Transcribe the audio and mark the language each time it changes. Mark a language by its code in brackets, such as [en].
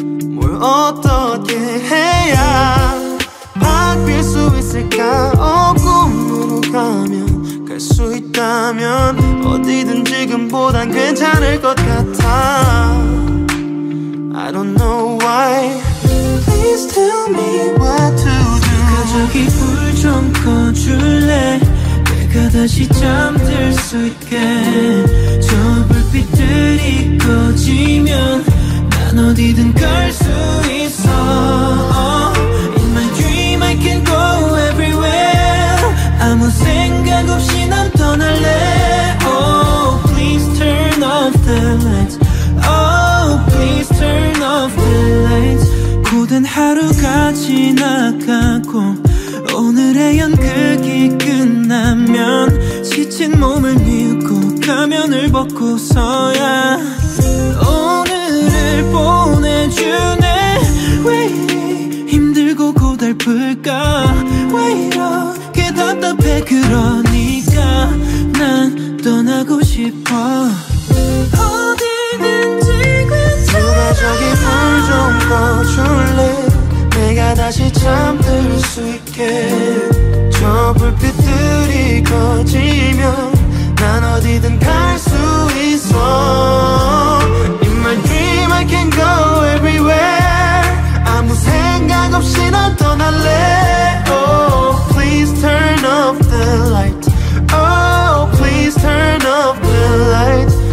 [ko] 뭘 어떻게 해야 바뀔 수 있을까? 꿈으로 가면 갈 수 있다면 어디든 지금보단 괜찮을 것 같아. [en] I don't know why. Please tell me what to do. [ko] 누가 저기 불 좀 꺼줄래? 다시 잠들 수 있게. 저 불빛들이 꺼지면 난 어디든 갈 수 있어. [en] In my dream I can go everywhere. [ko] 아무 생각 없이 난 떠날래. [en] Oh, please turn off the lights. Oh, please turn off the lights. [ko] 고된 하루가 지나가고 오늘의 연극이 끝나면 지친 몸을 뉘우고 가면을 벗고서야 오늘을 보내주네. 왜 힘들고 고달플까? 왜 이렇게 답답해? 그러니까 난 떠나고 싶어. 어디든지 괜찮아. 누가 저기 불 좀 꺼줄래? 내가 다시 잠들 수 있게. 저 불빛들이 꺼지면 난 어디든 갈 수 있어. [en] In my dream I can go everywhere. [ko] 아무 생각 없이 난 떠날래. [en] Oh, please turn off the light. Oh, please turn off the light.